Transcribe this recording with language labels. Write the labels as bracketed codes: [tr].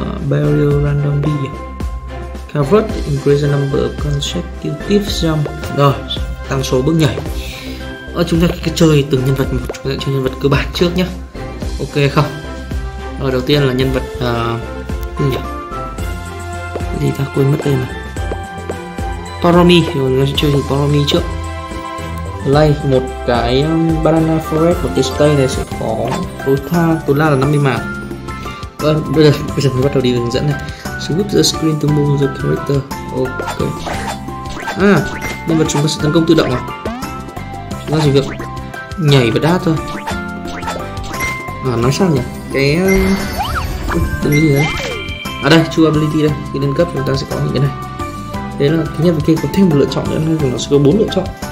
[en] Barrier randomly covered, increase the number of consecutive jump. [vi] Rồi, tăng số bước nhảy. Chúng ta cứ chơi từng nhân vật một, chúng ta sẽ chơi nhân vật cơ bản trước nhé. Ok không? Rồi, đầu tiên là nhân vật cái gì nhỉ? Cái gì ta quên mất tên này. Poromi, chúng ta sẽ chơi từ Poromi trước. Lay một cái banana forest, một cái stay này sẽ có tối đa là 50 mạng. Bây giờ mình bắt đầu đi hướng dẫn này. [en] Swap the screen to move the character. Ok. [vi] Nhân vật chúng ta sẽ tấn công tự động à? Chúng ta chỉ việc nhảy và đát thôi. Nói sao nhỉ? Cái gì đấy? Đây, True Ability đây. Khi lên cấp chúng ta sẽ có những cái này. Thế là cái nhân vật kia có thêm một lựa chọn nữa, nên nó sẽ có 4 lựa chọn.